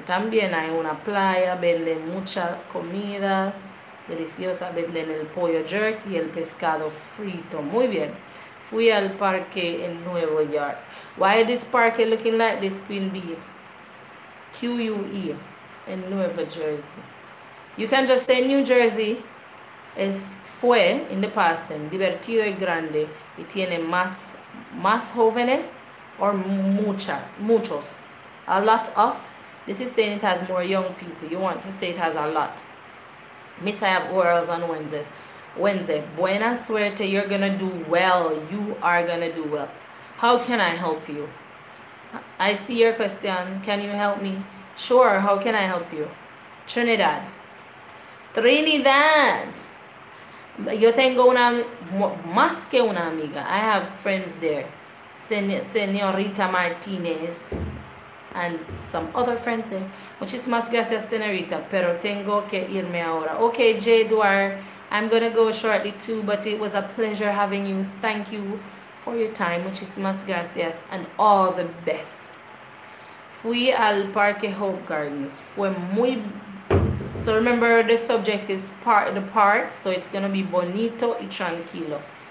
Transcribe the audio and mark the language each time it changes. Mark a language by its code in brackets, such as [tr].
[es] También hay una playa, venden mucha comida deliciosa, venden el pollo jerky y el pescado frito, muy bien. Fui al parque en Nuevo York. [en] Why is this park looking like this, Queen Bee? QUE in Nueva Jersey. You can just say New Jersey. [es] Fue [en] in the past tense. [es] Divertido y grande. Y tiene más jóvenes or muchos. [en] A lot of. This is saying it has more young people. You want to say it has a lot. Miss, I have orals on Wednesdays. Wednesday, [es] buena suerte, [en] you're gonna do well. You are gonna do well. How can I help you? I see your question. Can you help me? Sure, how can I help you? Trinidad. Trinidad. [es] Yo tengo una, más que una amiga. [en] I have friends there. Señorita Martinez and some other friends there. [es] Muchísimas gracias, señorita, pero tengo que irme ahora. [en] Okay, J. Duarte. I'm gonna go shortly too, but it was a pleasure having you. Thank you for your time. [es] Muchísimas gracias [en] and all the best. Fui al Parque Hope Gardens. Fue muy. So remember, the subject is part the park, so it's gonna be [es] bonito y tranquilo.